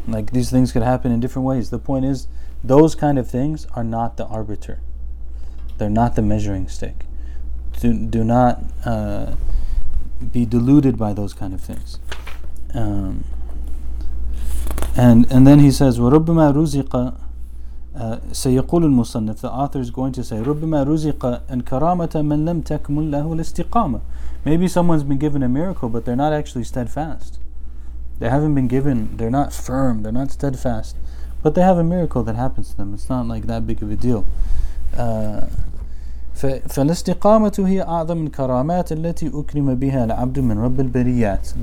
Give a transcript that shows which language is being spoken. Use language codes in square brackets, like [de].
[en] Like, these things could happen in different ways. The point is, those kind of things are not the arbiter. They're not the measuring stick. Do not be deluded by those kind of things. And then he says, [ar] وَرُبِّمَا رُزِقَ سَيَقُولُ الْمُصَنِّفِ. [en] The author is going to say, [ar] رُبِّمَا رُزِقَ أَنْ كَرَامَةَ مَنْ لَمْ تَكْمُلْ لَهُ الْاسْتِقَامَةِ. [en] Maybe someone's been given a miracle, but they're not actually steadfast. They haven't been given, they're not firm, they're not steadfast. But they have a miracle that happens to them. It's not like that big of a deal. [ar] فَالْاسْتِقَامَةُ هِيَ أَعْظَمُ الْكَرَامَاتِ الَّتِي أُكْرِمَ بِهَا الْعَبْدُ مِنْ رَبِّ الْبَرِيَّاتِ.